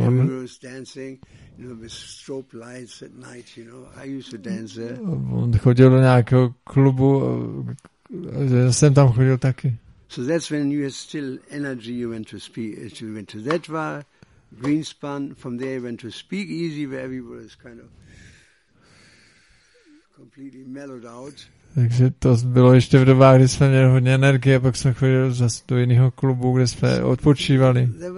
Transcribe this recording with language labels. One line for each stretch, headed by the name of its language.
English: everyone was dancing, you know, with strobe lights at night. You know, I used to dance there.
Czech: On chodil do nějakého klubu. Já jsem tam chodil taky.
English: So that's when you had still energy. You went to speak. You went to that bar, Greenspan. From there, you went to Speakeasy, where everybody was kind of completely mellowed out.
Czech: Takže to bylo ještě v dobách, kdy jsme měli hodně energie, a pak jsme chodili zase do jiného klubu, kde jsme odpočívali.